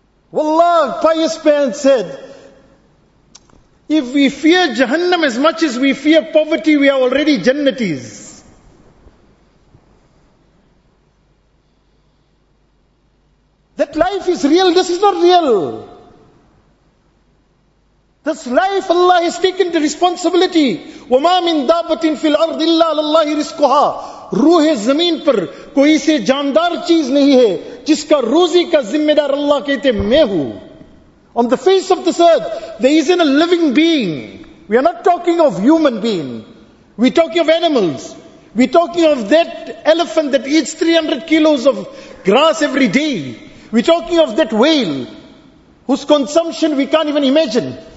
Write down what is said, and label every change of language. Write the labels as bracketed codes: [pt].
[en] Wallah, pious man said, if we fear Jahannam as much as we fear poverty, we are already Jannatis. That life is real, this is not real. This life Allah has taken the responsibility. [ar] وَمَا مِن دَابَةٍ فِي الْأَرْضِ إِلَّا عَلَى اللَّهِ رِزْقُهَا. [ur] روح زمین پر کوئی سے جاندار چیز نہیں ہے جس کا روزی کا ذمہ دار اللہ کہتے ہیں میں ہوں. [en] On the face of this earth, there isn't a living being. We are not talking of human being. We're talking of animals. We're talking of that elephant that eats 300 kilos of grass every day. We're talking of that whale whose consumption we can't even imagine.